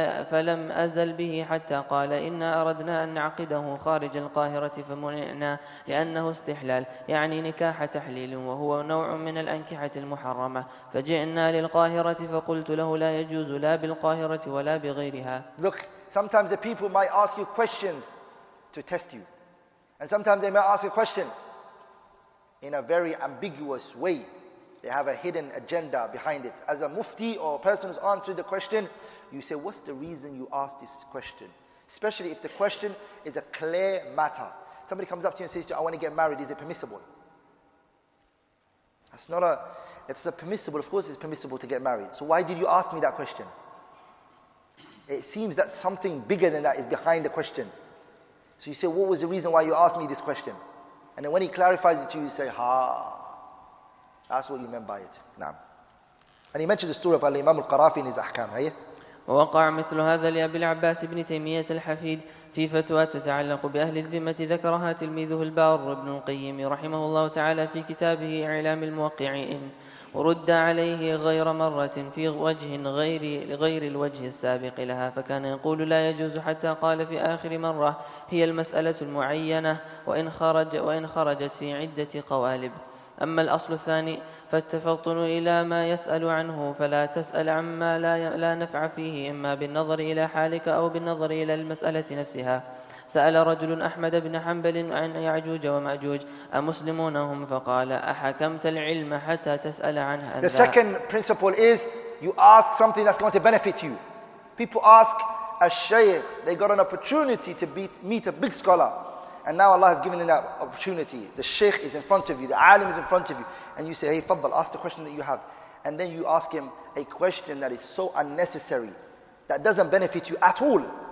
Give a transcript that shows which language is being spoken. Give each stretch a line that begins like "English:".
Arabic: فلم أزل به حتى قال إنا أردنا أن نعقده خارج القاهرة فمنعنا لأنه استحلال يعني نكاح تحليل وهو نوع من الأنكحة المحرمة فجئنا للقاهرة فقلت له لا يجوز لا بالقاهرة ولا بغيرها.
English: Look, sometimes the people might ask you questions to test you. And sometimes they may ask a question in a very ambiguous way. They have a hidden agenda behind it. As a mufti or a person who's answered the question, you say, what's the reason you asked this question? Especially if the question is a clear matter. Somebody comes up to you and says, I want to get married, is it permissible? It's a permissible, of course it's permissible to get married. So why did you ask me that question? It seems that something bigger than that is behind the question. So you say, what was the reason why you asked me this question? And then when he clarifies it to you, you say, ha, that's what you meant by it. Naam. And he mentioned the story of Al-Imam Al-Qarafi in his Ahkam.
Arabic: ووقع مثل هذا لأبي العباس بن تيمية الحفيد في فتوى تتعلق بأهل الذمة ذكرها تلميذه البار ابن القيم رحمه الله تعالى في كتابه إعلام الموقعين، ورد عليه غير مرة في وجه غير الوجه السابق لها، فكان يقول لا يجوز حتى قال في آخر مرة هي المسألة المعينة وإن خرجت في عدة قوالب. أما الأصل الثاني فالتفطن إلى ما يسأل عنه، فلا تسأل عما لا نفع فيه إما بالنظر إلى حالك أو بالنظر إلى المسألة نفسها. سأل رجل أحمد بن حنبل عن يعجوج ومأجوج أمسلمون هم؟ فقال أحكمت العلم حتى تسأل عنه.
English: The second principle is you ask something that's going to benefit you. People ask a shaykh, they got an opportunity to meet a big scholar. And now Allah has given them that opportunity. The sheikh is in front of you, the alim is in front of you. And you say, hey, Fadl, ask the question that you have. And then you ask him a question that is so unnecessary, that doesn't benefit you at all.